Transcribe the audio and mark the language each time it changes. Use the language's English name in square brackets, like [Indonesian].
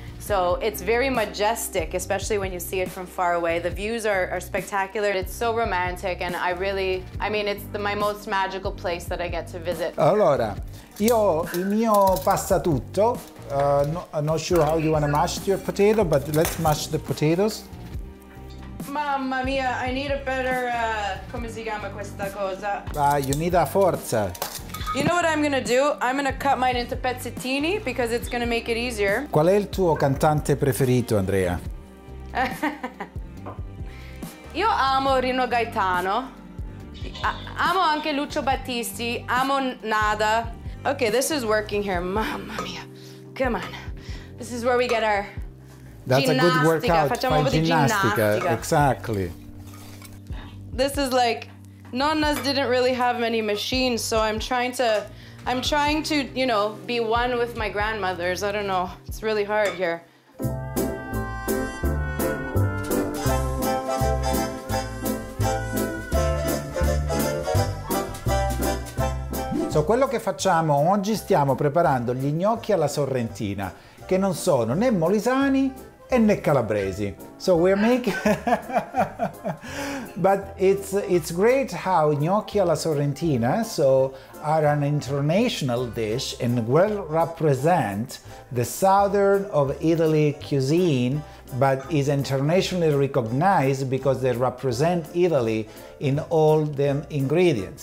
[English] So it's very majestic, especially when you see it from far away. The views are spectacular. It's so romantic, and I mean, it's my most magical place that I get to visit. [Italian] Allora, io il mio passatutto. [English] I'm not sure how you want to mash your potato, but let's mash the potatoes. [Italian] Mamma mia, [English] I need a better, [Italian] come si chiama questa cosa? [English] You need a forza. You know what I'm gonna do? I'm gonna cut mine into pezzettini because it's gonna make it easier. [Italian] Qual è il tuo cantante preferito, Andrea? Io amo Rino Gaetano. Amo anche Lucio Battisti. [English] Amo Nada. Okay, this is working here. Mamma mia. Come on. This is where we get our That's [Italian] ginnastica. [English] A good workout. [Italian] Facciamo un po' di ginnastica. [English] Exactly. This is like... Nonnas didn't really have many machines, so I'm trying to, you know, be one with my grandmothers. I don't know, it's really hard here. [Italian] So quello che facciamo oggi, stiamo preparando gli gnocchi alla sorrentina, che non sono né molisani e né calabresi. [English] So we're making... But it's great how gnocchi alla sorrentina so are an international dish and well represent the southern of Italy cuisine, but is internationally recognized because they represent Italy in all them ingredients.